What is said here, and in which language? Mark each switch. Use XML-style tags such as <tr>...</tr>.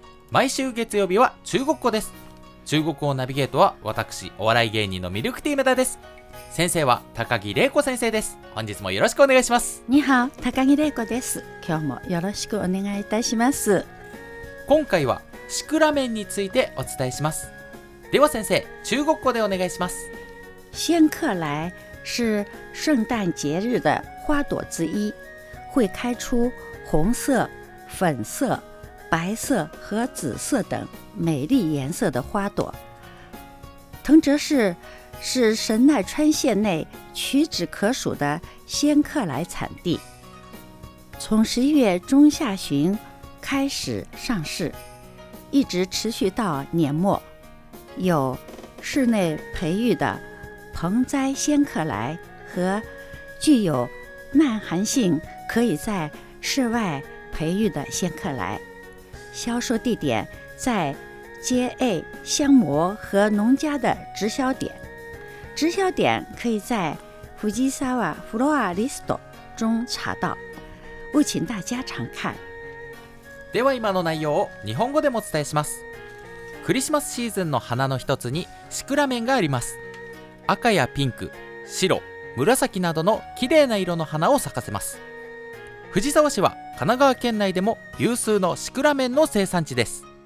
<ja>毎週月曜日は中国語です。中国語ナビゲートは私、お笑い芸人のミルクティー梅田です。先生は高木玲子先生です。本日もよろしくお願いします。ニハオ、高木玲子です。今日もよろしくお願いいたします。今回はシクラメンについてお伝えします。では先生、中国語でお願いします。</ja> <zh>仙客来是圣诞节日的花朵之一，会开出红色、粉色、白色和紫色等美丽颜色的花朵。藤泽市是神奈川县内屈指可数的仙客来产地，从11月中下旬开始上市，一直持续到年末，有室内培育的盆栽仙客来和具有耐寒性可以在室外培育的仙客来，销售地点在街 A 香馍和农家的直销点，直销点可以在富吉沙瓦フロアリスト中查到，务请大家常看。</zh> <ja>では今の内容を日本語でもお伝えします。クリスマスシーズンの花の一つにシクラメンがあります。赤やピンク、白、紫などの綺麗な色の花を咲かせます。藤沢市は神奈川県内でも有数のシクラメンの生産地です。</ja>